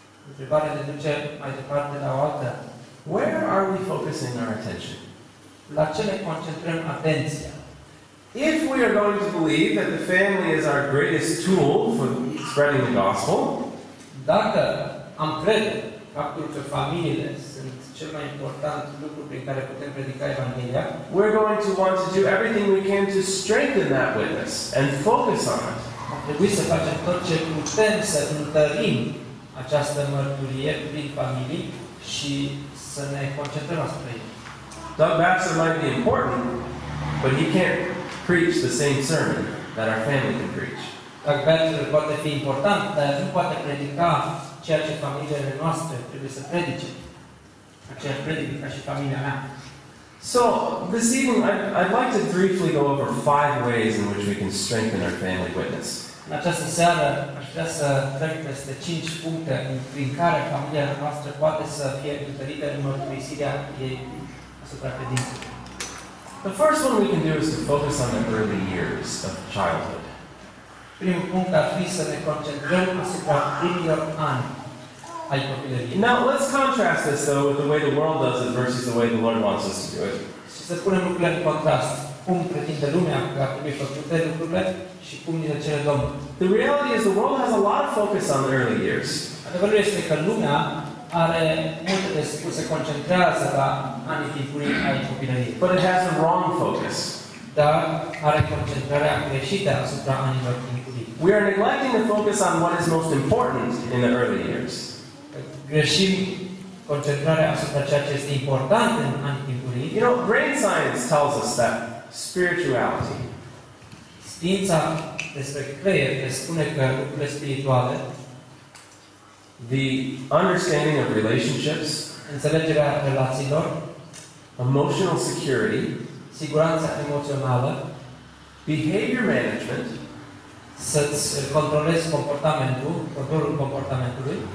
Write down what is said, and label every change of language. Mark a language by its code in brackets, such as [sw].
[ro] Întrebare ne duce mai departe la o altă. [en] Where are we focusing our attention? [ro] La ce ne concentrăm atenția? [en] If we are going to believe that the family is our greatest tool for spreading the gospel, [ro] dacă am crede faptul că familiile sunt cel mai important lucru prin care putem predica Evanghelia. [en] We're going to want to do everything we can to strengthen that witness and focus on it. [ro] Trebuie să facem tot ce putem să întărim această mărturie prin familie și să ne concentrăm asupra ei. [en] Doug Baxter might be important, but he can't preach the same sermon that our family can preach. [ro] Doug Baxter poate fi important, dar nu poate predica ceea ce familiile noastre trebuie să predice. Aceea predică ca și familia mea. [en] So, this evening, I'd like to briefly go over five ways in which we can strengthen our family witness. [ro] În această seară, aș vrea să trec peste cinci puncte prin care familia noastră poate să fie întărită în mărturisirea ei asupra credinței. [en] The first one we can do is to focus on the early years of childhood. [ro] Primul punct ar fi să ne concentrăm asupra primilor ani ai copilăriei. [en] Now, let's contrast this, though, with the way the world does it versus the way the Lord wants us to do it. [ro] Și să punem lucrurile în contrast. Cum pretinde lumea că trebuie făcute lucrurile și cum ni le cere Domnul. [en] The reality is the world has a lot of focus on the early years. [ro] Adevărul este că lumea are multe de spus, se concentrează la anii timpurii ai copilăriei. [en] But it has a wrong focus. [ro] Dar are concentrarea greșită asupra anilor timpurii. [en] We are neglecting the focus on what is most important in the early years. [ro] Greșim concentrarea asupra ceea ce este important în anii timpurii. [en] You know, brain science tells us that spirituality. [ro] Știința despre creier ne spune că lucrurile spirituale, [en] the understanding of relationships, [ro] înțelegerea relațiilor, [en] emotional security, [ro] siguranța emoțională, [en] behavior management, [ro] să-ți controlezi comportamentul, controlul comportamentului,